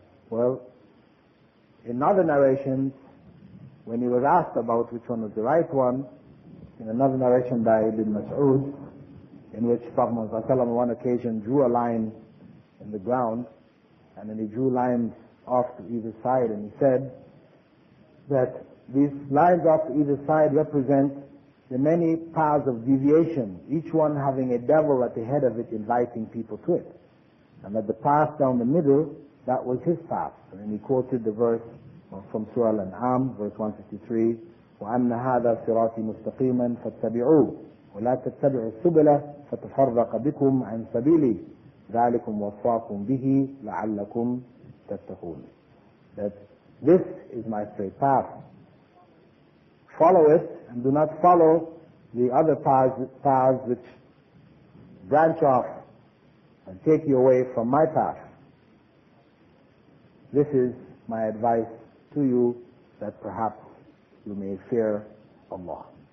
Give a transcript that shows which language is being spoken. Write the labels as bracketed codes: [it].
[en] Well, in other narrations, when he was asked about which one was the right one, in another narration by Ibn Mas'ud, in which Prophet Muhammad on one occasion drew a line in the ground, and then he drew lines off to either side, and he said that these lines off to either side represent the many paths of deviation, each one having a devil at the head of it inviting people to it. And that the path down the middle, that was his path. And then he quoted the verse from Surah Al-An'am, verse 153, [ar] وَأَنَّ هَذَا صِرَاطِ مُسْتَقِيمًا فَاتَّبِعُوهُ وَلَا تَتَّبِعُوا السُّبُلَ فَتَفَرَّقَ بِكُمْ عَنْ سَبِيلِهِ ذَلِكُمْ وَصَّاكُمْ بِهِ لَعَلَّكُمْ تَتَّقُونَ. [en] That this is my straight path. Follow it and do not follow the other paths which branch off and take you away from my path. This is my advice to you, that perhaps you may fear Allah.